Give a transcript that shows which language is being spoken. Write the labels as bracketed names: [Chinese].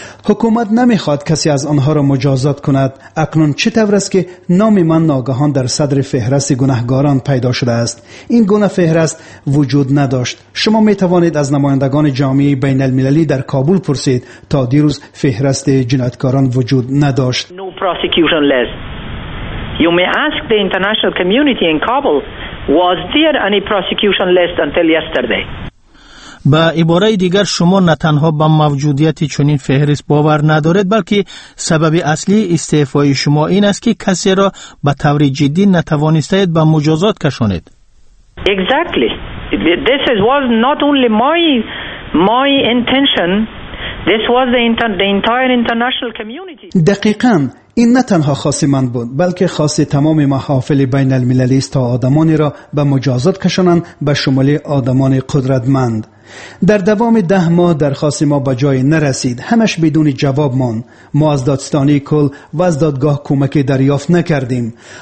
[Persian] حکومت نمی خواد کسی از آنها را مجازات کند. اکنون چه طور است که نام من ناگهان در صدر فهرست گناهگاران پیدا شده است؟ این گونه فهرست وجود نداشت. شما می توانید از نمایندگان جامعه بین المللی در کابل پرسید. تا دیروز فهرست جنایتکاران وجود نداشت. [English] No prosecution list. You may ask the international community in Kabul, was there any prosecution list until yesterday? [Persian] با عباره دیگر، شما نه تنها با موجودیت چنین فهرست باور ندارید، بلکه سبب اصلی استعفای شما این است که کسی را به طور جدی نتوانستید به مجازات کشانید. [English] Exactly. This was not only my intention. This was the entire international community. [Persian] دقیقاً. این نه تنها خاص من بود، بلکه خاص تمام محافل بین المللی است تا آدمانی را به مجازات کشانند، به شمول آدمان قدرتمند. در دوام ده ماه درخواست ما به جای نرسید، همش بدون جواب ماند. ما از دادستانی کل و از دادگاه کمک دریافت نکردیم.